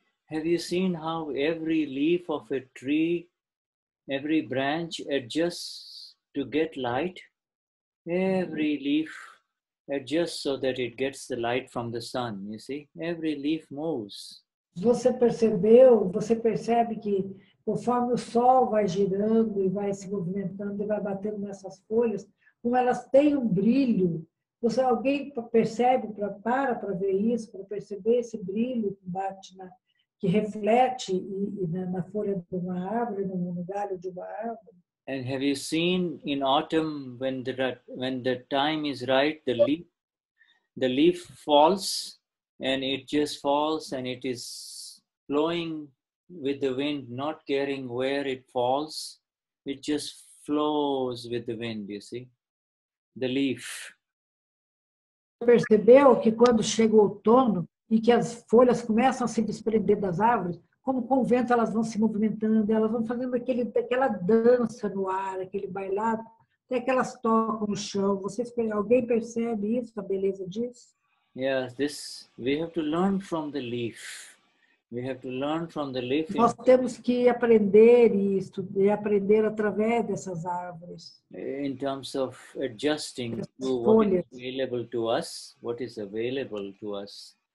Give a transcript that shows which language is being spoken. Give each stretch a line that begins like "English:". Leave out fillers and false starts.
English: Have you seen how every leaf of a tree, every branch adjusts to get light? Every leaf adjusts so that it gets the light from the sun, you see? Every leaf moves.
Portuguese: Você percebe que conforme o sol vai girando e vai se movimentando e vai batendo nessas folhas, como elas têm um brilho, alguém percebe, para ver isso, para perceber esse brilho que bate que reflete na folha de uma árvore, no galho de uma árvore.
English: And have you seen in autumn when the time is right, the leaf falls and it just falls and it is flowing with the wind, not caring where it falls, it just flows with the wind, you see, the leaf.
Portuguese: Percebeu que quando chega o outono e que as folhas começam a se desprender das árvores, como com o vento elas vão se movimentando, elas vão fazendo aquela dança no ar, aquele bailado, até que elas tocam no chão. Vocês, alguém percebe isso, a beleza disso?
English: Yes, this we have to learn from the leaf. We have to learn from the leaf.
Portuguese: Nós temos que aprender isso, e aprender através dessas árvores.
English: In terms of adjusting to what is available to us, what is available to us.